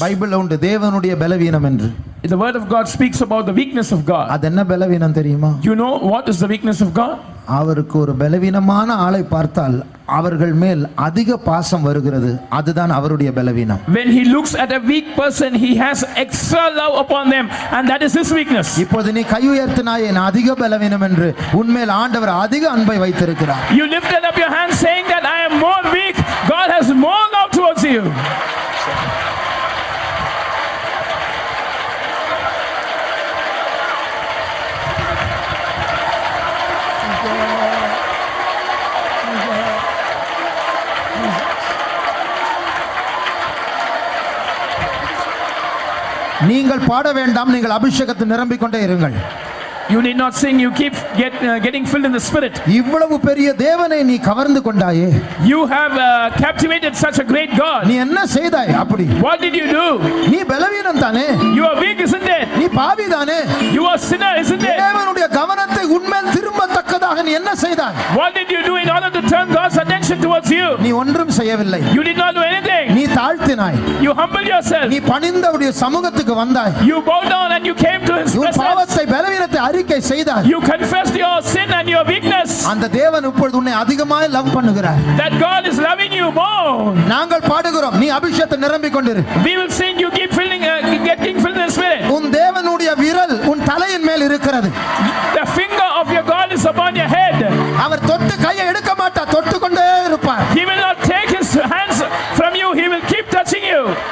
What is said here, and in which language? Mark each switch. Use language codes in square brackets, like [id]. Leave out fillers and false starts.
[ta] பைபிள்ல உண்டு தேவனுடைய பலவீனம் என்று. [en] The word of God speaks about the weakness of God. [ta] அது என்ன பலவீனம் தெரியுமா? [en] You know what is the weakness of God? [ta] அவருக்கு ஒரு பலவீனமான ஆளை பார்த்தால் அவர்கள் மேல் அதிக பாசம் வருகிறது. அதுதான் அவருடைய பலவீனம். [en] When he looks at a weak person he has extra love upon them and that is his weakness. [ta] இப்போதே நீ கை உயர்த்தினாயே நான் அதிக பலவீனம் என்று உன் மேல் ஆண்டவர் அதிக அன்பை வைத்திருக்கிறார். [en] You lifted up your hand saying that I am more weak. God has more love towards you. [ta] நீங்கள் பாட வேண்டாம் நீங்கள் அபிஷேகத்தை நிரம்பிக்கொண்டே இருங்கள். [en] You need not sing, you keep getting filled in the spirit. [ta] இவ்வளவு பெரிய தேவனை நீ கவர்ந்து கொண்டாயே. [en] You have captivated such a great God. [ta] நீ என்ன செய்தாய் அப்படி? [en] What did you do? [ta] நீ பலவீனன் தானே? [en] You are weak, isn't it? [ta] நீ பாவி தானே? [en] You are sinner, isn't it? [ta] தேவனுடைய கவனத்தை உன்மேல் திரும்பத்தக்கதாக நீ என்ன செய்தாய்? [en] What did you do in order to turn God's attention towards you? [ta] நீ ஒன்றும் செய்யவில்லை. [en] You did not do anything. [ta] நீ தாழ்த்தினாய். [en] You humbled yourself. [ta] நீ பணிந்தவருடைய சமூகத்துக்கு வந்தாய். [en] You bowed down and you came to his presence. [ta] உன் பாவத்தை பலவீனத்தை அறிக்கை செய்தாய். [en] You confessed your sin and your weakness. [ta] அந்த தேவன் இப்பொழுது உன்னை அதிகமாக லவ் பண்ணுகிறார். [en] That God is loving you more. [ta] நாங்கள் பாடுகிறோம், நீ அபிஷேகத்தை நிரம்பிக் கொண்டிரு. [en] We will sing, you keep filling getting filled in the spirit. [ta] உன் தேவனுடைய விரல் உன் தலையின் மேல் இருக்கிறது. [en] The finger of your God is upon your head. [ta] அவர் தொட்டு கையை எடுக்க மாட்டார், தொட்டு கொண்டே இருப்பார். [en] He will not take his hands from you, he will keep touching you.